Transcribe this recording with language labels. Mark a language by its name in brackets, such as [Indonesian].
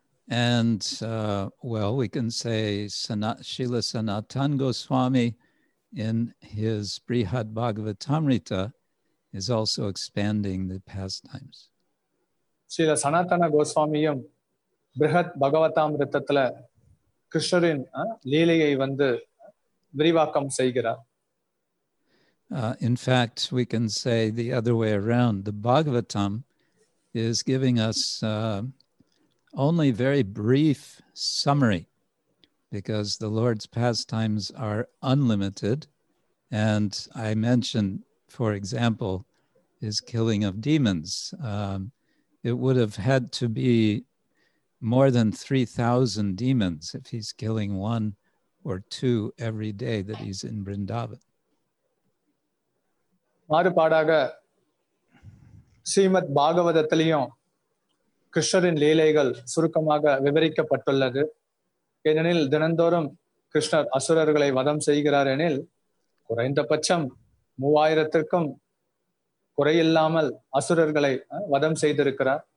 [English] And well, we can say Srila Sanatan Goswami in his Brihad Bhagavatamrita is also expanding the pastimes. [Tamil] Srila Sanatana Goswamiyam பிரகத் பகவதாமிரதத்துல கிருஷ்ணரின் லீலையை வந்து விரிவாக்கம் செய்கிறார். [English] In fact, we can say the other way around. The Bhagavatam is giving us only very brief summary, because the Lord's pastimes are unlimited. And I mentioned, for example, his killing of demons. It would have had to be more than 3,000 demons if he's killing one or two every day that he's in Vrindavan. [Tamil] மாறுபாடாக ஸ்ரீமத் பாகவதத்திலையும் கிருஷ்ணரின் லீலைகள் சுருக்கமாக விவரிக்கப்பட்டுள்ளது. ஏனெனில் தினந்தோறும் கிருஷ்ணர் அசுரர்களை வதம் செய்கிறார் எனில் குறைந்தபட்சம் 3,000 குறையில்லாமல் அசுரர்களை வதம் செய்திருக்கிறார்.